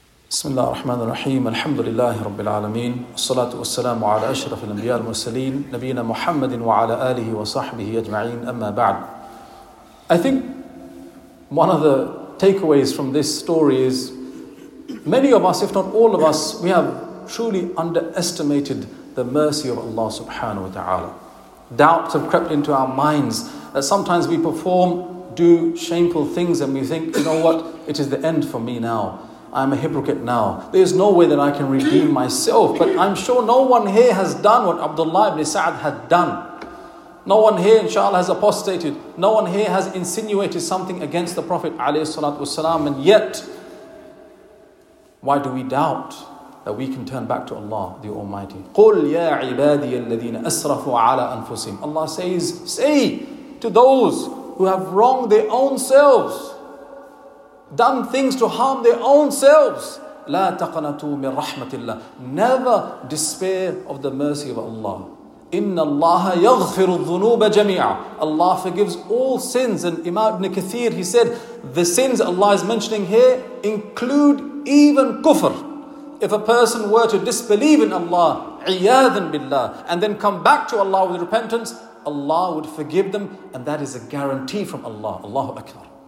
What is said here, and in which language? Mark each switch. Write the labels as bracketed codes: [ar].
[ar] بسم الله الرحمن الرحيم الحمد لله رب العالمين الصلاة والسلام على أشرف الأنبياء المرسلين نبينا محمد وعلى آله وصحبه أجمعين أما بعد. [en] I think one of the takeaways from this story is many of us, if not all of us, we have truly underestimated the mercy of Allah subhanahu wa ta'ala. Doubts have crept into our minds that sometimes we perform, do shameful things and we think, you know what, it is the end for me now. I'm a hypocrite now. There's no way that I can redeem myself. But I'm sure no one here has done what Abdullah ibn Sa'ad had done. No one here, inshallah, has apostated. No one here has insinuated something against the Prophet ﷺ. And yet, why do we doubt that we can turn back to Allah, the Almighty? [ar] قُلْ يَا عِبَادِيَ الَّذِينَ أَسْرَفُوا عَلَىٰ أَنفُسِهِمْ. [en] Allah says, say to those who have wronged their own selves, done things to harm their own selves. [ar] لا تقنطوا من رحمة الله. [en] Never despair of the mercy of Allah. [ar] إن الله يغفر الذنوب جميعا. [en] Allah forgives all sins. And Imam Ibn Kathir, he said, the sins Allah is mentioning here include even kufr. If a person were to disbelieve in Allah, [ar] عِيَاذٍ بِاللَّهِ [en] and then come back to Allah with repentance, Allah would forgive them, and that is a guarantee from Allah. Allahu Akbar.